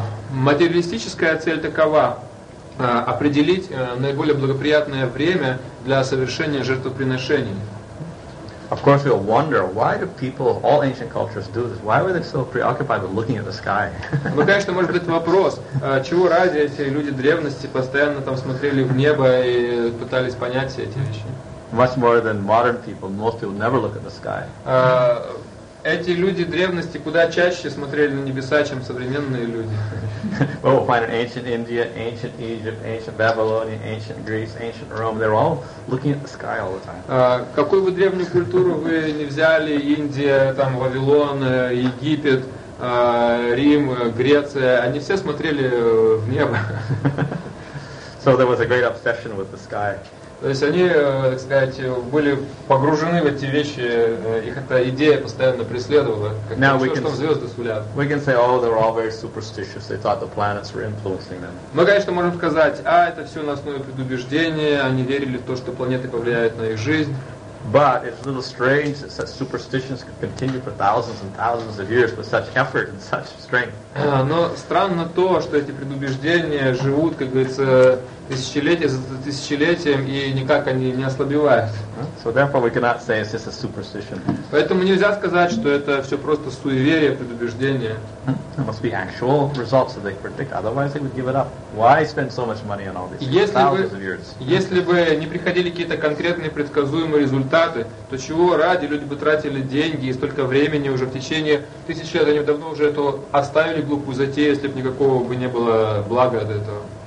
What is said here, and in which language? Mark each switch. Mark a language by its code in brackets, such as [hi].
[ru] Материалистическая цель такова. Определить наиболее благоприятное время для совершения жертвоприношений. [en] Of course, we'll wonder why do people, all ancient cultures, do this. Why were they so preoccupied with looking at the sky? [ru] Ну, конечно, может быть вопрос, чего ради эти люди древности постоянно там смотрели в небо и пытались понять все эти вещи? [en] Much more than modern people, most people never look at the sky. [ru] Эти люди древности куда чаще смотрели на небеса, чем современные люди. [en] Well, we'll find in ancient India, ancient Egypt, ancient Babylonia, ancient Greece, ancient Rome. They're all looking at the sky all the time. [ru] Какую бы древнюю культуру вы не взяли, Индия, там, Вавилон, Египет, Рим, Греция, они все смотрели в небо. [en] So there was a great obsession with the sky. [ru] То есть они, так сказать, были погружены в эти вещи, их эта идея постоянно преследовала, как то, что звезды сулят. [en] We can say, oh, they're all very superstitious, they thought the planets were influencing them. [ru] Мы, конечно, можем сказать, а, это все на основе предубеждения, они верили в то, что планеты повлияют на их жизнь. [en] But it's a little strange that such superstitions could continue for thousands and thousands of years with such effort and such strength. [ru] Но странно то, что эти предубеждения живут, как говорится, тысячелетия за тысячелетием и никак они не ослабевают. [en] So therefore we cannot say it's just a superstition. [ru] Поэтому нельзя сказать, что это все просто суеверие, предубеждение. [en] It must be actual results that they predict. Otherwise they would give it up. Why spend so much money on all these things? [ru] Если бы не приходили какие-то конкретные предсказуемые результаты, то чего ради люди бы тратили деньги и столько времени уже в течение тысяч лет, они давно уже эту оставили глупую затею, если бы никакого бы не было блага от этого.